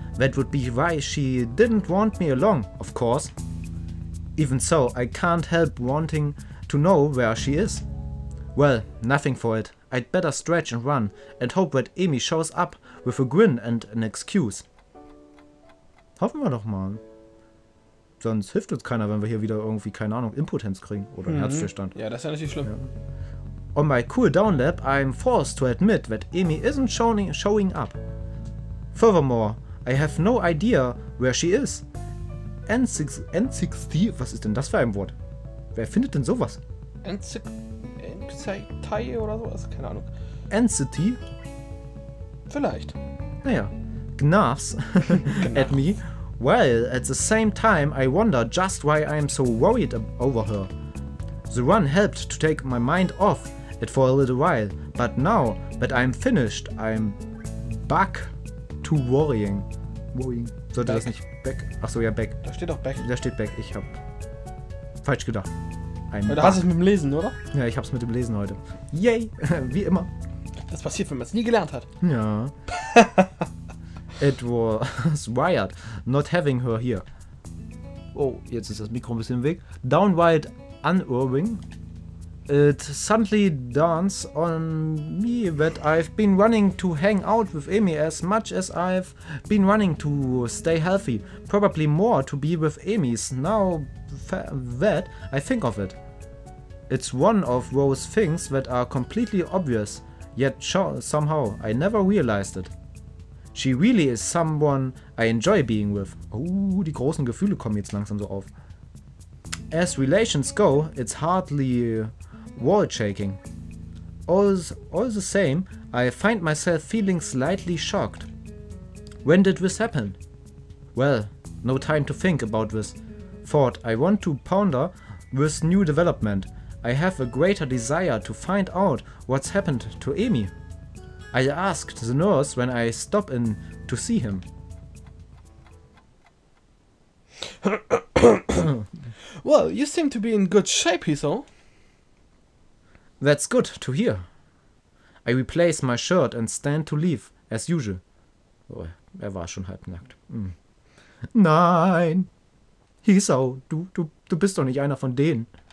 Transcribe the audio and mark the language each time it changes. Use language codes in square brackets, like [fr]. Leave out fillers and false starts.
[en] That would be why she didn't want me along, of course. Even so, I can't help wanting to know where she is. Well, nothing for it. I'd better stretch and run and hope that Amy shows up with a grin and an excuse. [de] Hoffen wir doch mal. Sonst hilft uns keiner, wenn wir hier wieder irgendwie, keine Ahnung, Impotenz kriegen oder einen Herzstillstand. Ja, das ist ja natürlich schlimm. Ja. [en] On my cool down lap, I'm forced to admit that Amy isn't showing up. Furthermore, I have no idea where she is. [de] N60, was ist denn das für ein Wort? Wer findet denn sowas? N60 oder sowas? Keine Ahnung. N-City? Vielleicht. [en] Naja, gnarfs at me, while at the same time I wonder just why I'm so worried over her. The run helped to take my mind off it for a little while, but now that I'm finished, I'm back to worrying. [de] Sollte back. Das nicht back? Achso, ja, back. Da steht doch back. Da steht back. Ich hab falsch gedacht. Du hast es mit dem Lesen, oder? Ja, ich hab's mit dem Lesen heute. Yay! Wie immer. Das passiert, wenn man es nie gelernt hat. [en] Ja. It was wired not having her here. [de] Oh, jetzt ist das Mikro ein bisschen im Weg. [en] Downright unnerving. It suddenly dawns on me that I've been running to hang out with Amy as much as I've been running to stay healthy. Probably more to be with Amy's now that I think of it. It's one of those things that are completely obvious, yet somehow I never realized it. She really is someone I enjoy being with. [de] Oh, die großen Gefühle kommen jetzt langsam so auf. [en] As relations go, it's hardly wall shaking. All the same, I find myself feeling slightly shocked. When did this happen? Well, No time to think about this. Thought, I want to ponder this new development. I have a greater desire to find out what's happened to Emi. I asked the nurse when I stop in to see him. Well, you seem to be in good shape, Hiso. That's good to hear. I replace my shirt and stand to leave, as usual. [de] Oh, war schon halb nackt. Nein! Hiso, du bist doch nicht einer von denen.